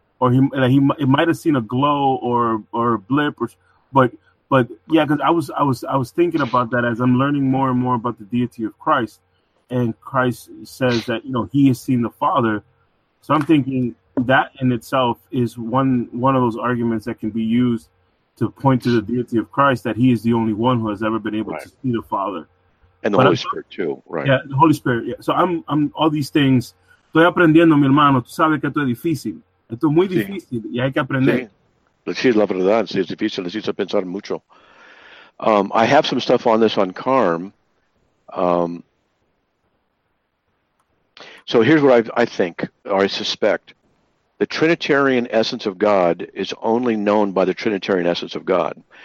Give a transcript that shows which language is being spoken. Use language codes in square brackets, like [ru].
[en] or he might have seen a glow or a blip, or but yeah, because I was thinking about that as I'm learning more and more about the deity of Christ, and Christ says that, you know, he has seen the Father, so I'm thinking that in itself is one of those arguments that can be used to point to the deity of Christ, that he is the only one who has ever been able right. to see the Father. And the but Holy Spirit too, right? Yeah, the Holy Spirit, yeah. So I'm all these things. [es] Estoy aprendiendo, mi hermano. Tú sabes que esto es difícil. Esto es muy difícil y hay que aprender. Sí, la verdad. Sí, es difícil. Necesito pensar mucho. [en] I have some stuff on this on CARM. So here's what I think, or I suspect. The Trinitarian essence of God is only known by the Trinitarian essence of God.